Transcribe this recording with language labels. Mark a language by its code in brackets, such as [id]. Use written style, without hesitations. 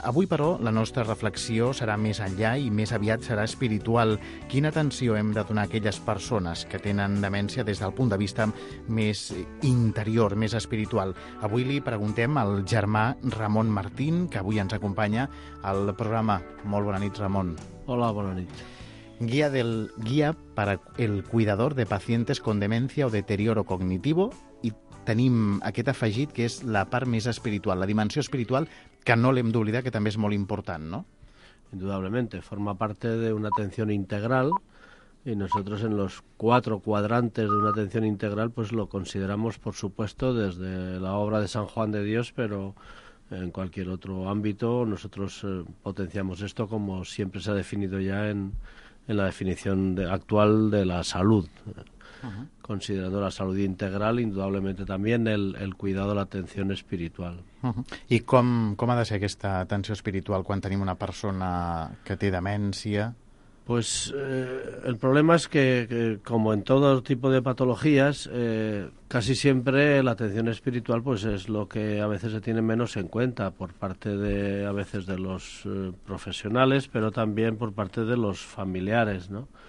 [ca] Avui, però, la nostra reflexió serà més enllà i més aviat serà espiritual. Quina atenció hem de donar a aquelles persones que tenen demència des del punt de vista més interior, més espiritual? Avui li preguntem al germà Ramon Martín, que avui ens acompanya al programa. Molt bona nit, Ramon. Hola, bona nit. [es] Guia per el cuidador de pacientes con demencia o deterioro cognitivo. [ca] Tenim aquest afegit que és la part més espiritual, la dimensió espiritual, que no l'hem d'oblidar, que també és molt important, no? [es] Indudablemente, forma parte de una atención integral y nosotros en los cuatro cuadrantes de una atención integral pues lo consideramos, por supuesto, desde la obra de San Juan de Dios, pero en cualquier otro ámbito nosotros potenciamos esto como siempre se ha definido ya en la definición actual de la salud. Considerando la salud integral, indudablemente también el cuidado, la atención espiritual. [ca] I com ha de ser aquesta atenció espiritual quan tenim una persona que té demència? [es] Pues el problema es que como en todo tipo de patologías, casi siempre la atención espiritual pues es lo que a veces se tiene menos en cuenta por parte de, a veces, de los profesionales, pero también por parte de los familiares, ¿no?